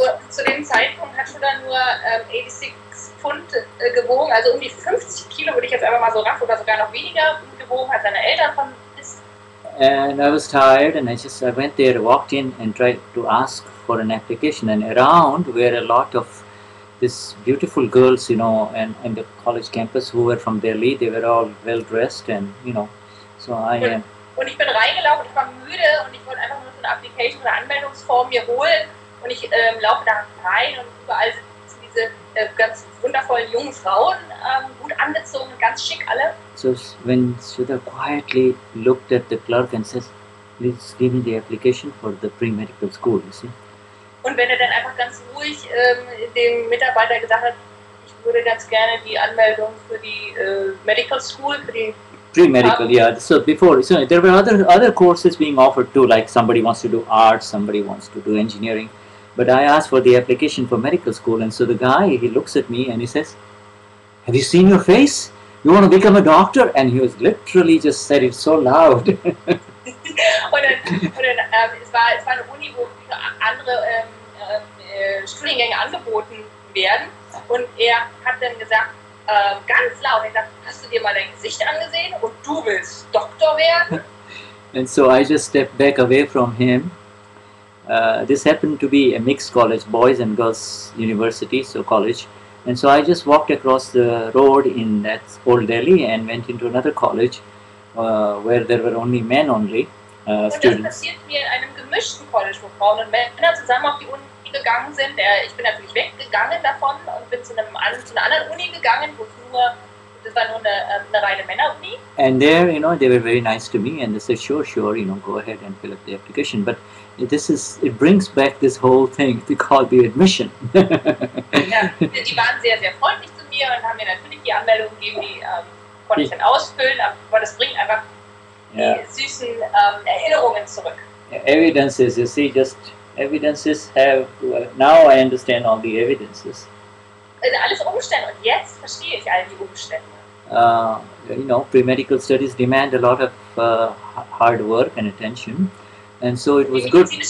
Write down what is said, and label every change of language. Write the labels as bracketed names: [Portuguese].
[German] Zu dem Zeitpunkt hat Shuddha nur 86 Pfund gewogen, also um die 50 Kilo, würde ich jetzt einfach mal so raff, oder sogar noch weniger gewogen, hat seine Eltern von ist. [English] And I was tired, and I went there, walked in, and tried to ask for an application, and around were a lot of these beautiful girls, you know, and in the college campus who were from Delhi. They were all well dressed, and you know, so I am. [German] Und ich bin reingelaufen, ich war müde, und ich wollte einfach nur so eine Application oder Anmeldungsform mir holen. Und ich laufe da rein, und überall sind diese ganz wundervollen jungen Frauen, gut angezogen, ganz schick alle. [English] So when Shuddha quietly looked at the clerk and says, please give me the application for the pre-medical school, you see. [German] Und wenn er dann einfach ganz ruhig dem Mitarbeiter gesagt hat, ich würde ganz gerne die Anmeldung für die Medical School, für die... [English] Pre-medical, yeah. So before, so there were other courses being offered too, like somebody wants to do art, somebody wants to do engineering. But I asked for the application for medical school, and so the guy, he looks at me and he says, have you seen your face? You want to become a doctor? And he was literally just said it so loud. [German] Und dann, es war eine Uni, wo andere Studiengänge angeboten werden, und hat dann gesagt, ganz laut, ich sag, hast du dir mal dein Gesicht angesehen und du willst Doktor werden? [English] And so I just stepped back away from him. This happened to be a mixed college, boys and girls university, so college. And so I just walked across the road in that old Delhi and went into another college, where there were only men only, students. [German] Und das passiert mir in einem gemischten College, wo Frauen und Männer zusammen auf die Uni gegangen sind. Ich bin natürlich weggegangen davon und bin zu einer anderen Uni gegangen, wo es nur [English] And there, you know, they were very nice to me, and they said, sure, sure, you know, go ahead and fill up the application. But this is, it brings back this whole thing to call the admission. [German] Ja, die waren sehr, sehr freundlich zu mir und haben mir natürlich die Anmeldung gegeben, die konnte ich dann ausfüllen, aber das bringt einfach die süßen Erinnerungen zurück. [English] Evidences, you see, just evidences have, well, now I understand all the evidences. [German] Alles Umstände, und jetzt verstehe ich all die Umstände. [English] You know, pre-medical studies demand a lot of hard work and attention. And so it was good.